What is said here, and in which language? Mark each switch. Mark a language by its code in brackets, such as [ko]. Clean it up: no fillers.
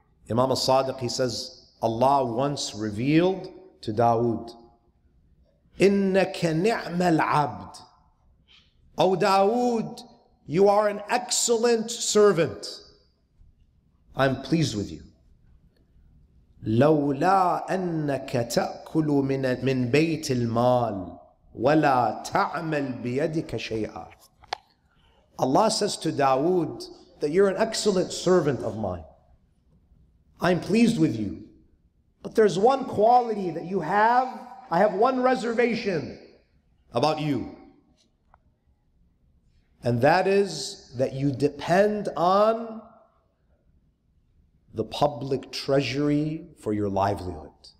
[en] Imam al-Sadiq, he says, Allah once revealed to Dawood, [ar] إِنَّكَ نِعْمَ الْعَبْدِ. [en] O Dawood, you are an excellent servant. I'm pleased with you. [ar] لولا أنك تأكل من بيت المال ولا تعمل بيدك شيئا. [en] Allah says to Dawood that you're an excellent servant of mine. I'm pleased with you. But there's one quality that you have. I have one reservation about you. And that is that you depend on the public treasury for your livelihood.